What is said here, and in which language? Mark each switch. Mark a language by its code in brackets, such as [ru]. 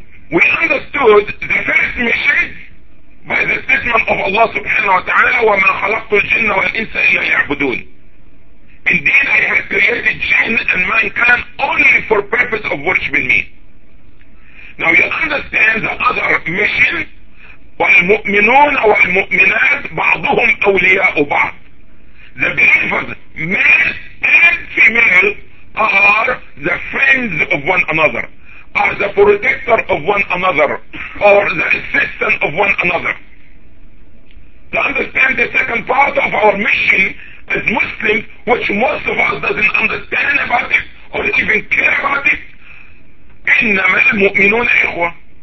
[en] We understood the first mission by the statement of Allah subhanahu wa ta'ala, [ar] وَمَا خَلَقْتُ الْجِنَّ وَالْإِنسَ إِلَّا يَعْبُدُونَ. [en] Indeed, I have created jinn and mankind only for purpose of worshiping me. Now you understand the other mission [ar] والمؤمنون والمؤمنات بعضهم اولياء بعض. ده بيحفظ مال [en] and female are the friends of one another, are the protector of one another, or the assistant of one another. To understand the second part of our mission as Muslims, which most of us doesn't understand about it or even care about it, [ar] إنما المؤمنون إخوة.